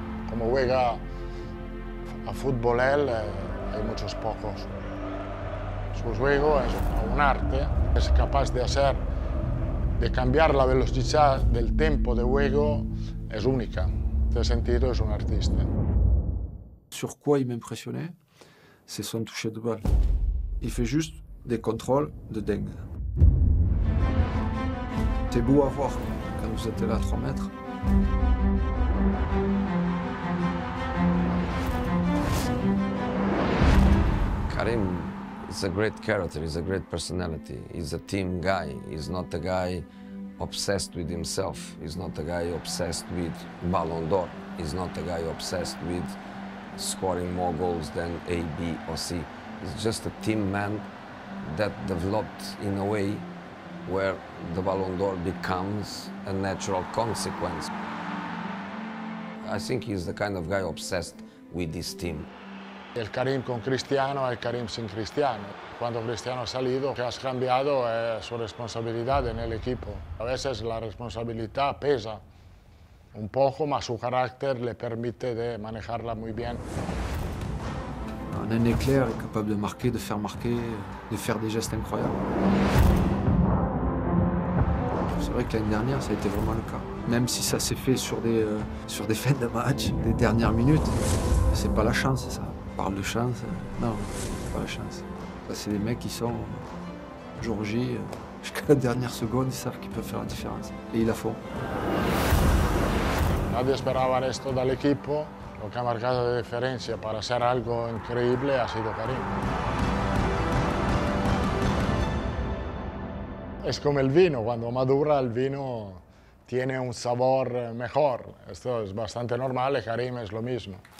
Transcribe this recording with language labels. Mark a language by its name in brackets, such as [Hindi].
[Spanish] Como juega a fútbol él, hay muchos pocos. Su juego es un arte, es capaz de hacer de cambiar la velocidad del tiempo de juego es única. En ese sentido, es un artista. [French] Sur quoi il m'impressionnait, c'est son toucher de balle. Il fait juste des contrôles de dingue. C'est beau à voir quand vous êtes là à 3 mètres. Karim. [English] He's a great character, he's a great personality, he's a team guy, he's not a guy obsessed with himself, he's not a guy obsessed with Ballon d'Or, he's not a guy obsessed with scoring more goals than A, B or C. He's just a team man that developed in a way where the Ballon d'Or becomes a natural consequence. I think he's the kind of guy obsessed with his team. [Spanish] El Karim con Cristiano, el Karim sin Cristiano. Cuando Cristiano ha salido, que has cambiado su responsabilidad en el equipo. A veces la responsabilidad pesa un poco, mas su carácter le permite de manejarla muy bien. [French] En un éclair, capable de marquer, de faire marquer, de faire des gestes incroyables. C'est vrai que l'année dernière, ça a été vraiment le cas. Même si ça s'est fait sur des fins de match, des dernières minutes, c'est pas la chance, c'est ça. On parle de chance, non, pas la chance. C'est des mecs qui sont jour J, jusqu'à la dernière seconde, ils savent qu'ils peuvent faire la différence. Et ils la font. [Spanish] Nadie esperaba esto [French] de l'équipe. [Spanish] Lo que ha marcado de diferencia para hacer algo increíble ha sido Karim. Es como el vino, cuando madura el vino tiene un sabor mejor. Esto es bastante normal y Karim es lo mismo.